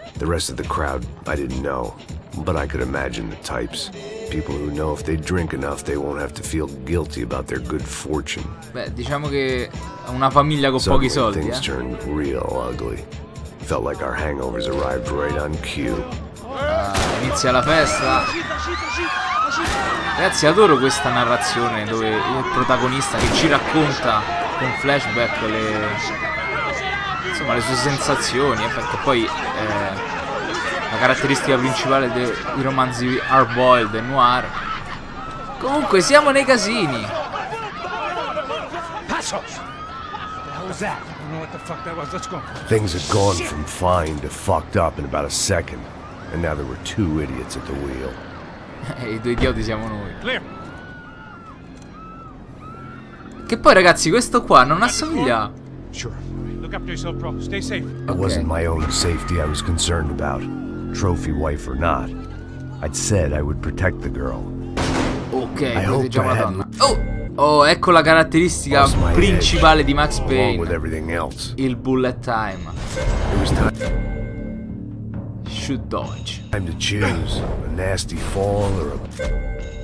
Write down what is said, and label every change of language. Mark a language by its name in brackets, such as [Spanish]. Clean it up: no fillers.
[English] The rest of the crowd, I didn't know, but I could imagine the types. People who know if they drink enough they won't have to feel guilty about their good fortune. [Italian] Beh, diciamo che è una famiglia con [English] Suddenly, [Italian] pochi soldi, [English] things eh? Turned real ugly. Felt like our hangovers arrived right on cue. [Italian] Inizia la festa. Ragazzi, adoro questa narrazione dove il protagonista che ci racconta con flashback le, insomma, le sue sensazioni, perché poi la caratteristica principale dei romanzi hardboiled e noir. Comunque siamo nei casini. [English] Pass off. How's that? I don't know what the fuck that was. Let's go. Things had gone from fine to fucked up in about a second, and now there were two idiots at the wheel. [Italian] I due idioti siamo noi. [English] Clear. [Italian] Che poi, ragazzi, questo qua non assomiglia. [English] Sure. Look after yourself, bro. Stay safe. Okay. It wasn't my own safety I was concerned about. Trophy wife or not, I'd said I would protect the girl. [Italian] Okay, proteggiamo la donna. Oh, ecco la caratteristica principale di Max Payne. Il bullet time. [English] It was time. Shoot dodge. Time to choose a nasty fall or a.